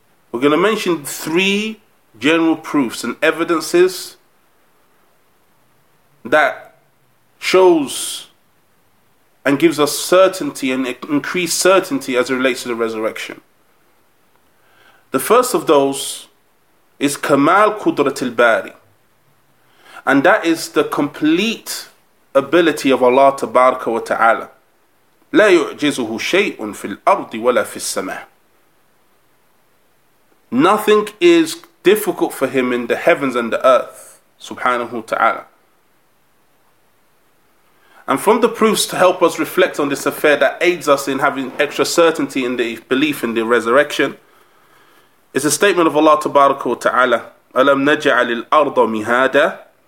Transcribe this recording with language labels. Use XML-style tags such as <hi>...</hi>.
<en>We're going to mention three general proofs and evidences that shows and gives us certainty and increased certainty as it relates to the resurrection. The first of those is Kamal Qudrat al-Bari, and that is the complete ability of Allah Tabaraka wa Ta'ala.</en> <ar>لا يعجزه شيء في الأرض ولا في السماء.</ar> <en>Nothing is difficult for him in the heavens and the earth, subhanahu wa ta'ala. And from the proofs to help us reflect on this affair that aids us in having extra certainty in the belief in the resurrection is a statement of Allah Tabaraka wa Ta'ala,</en> <ar>أَلَمْ نَجْعَلِ الْأَرْضَ مِهَادًا.</ar>